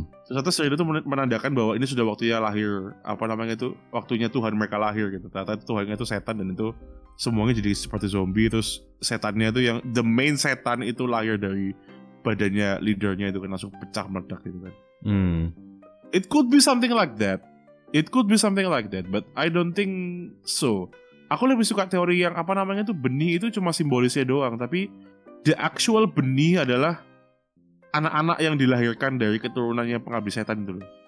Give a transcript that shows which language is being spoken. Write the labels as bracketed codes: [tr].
[id] Ternyata sirine tuh menandakan bahwa ini sudah waktunya lahir, apa namanya itu, waktunya Tuhan mereka lahir gitu. Ternyata Tuhannya tuh setan dan itu semuanya jadi seperti zombie, terus setannya tuh yang [en] the main [id] setan itu lahir dari badannya leadernya itu kan, langsung pecah meledak gitu kan. [en] It could be something like that. It could be something like that, but I don't think so. [id] Aku lebih suka teori yang apa namanya itu, benih itu cuma simbolisnya doang, tapi [en] the actual [id] benih adalah anak-anak yang dilahirkan dari keturunannya Pengabdi Setan itu.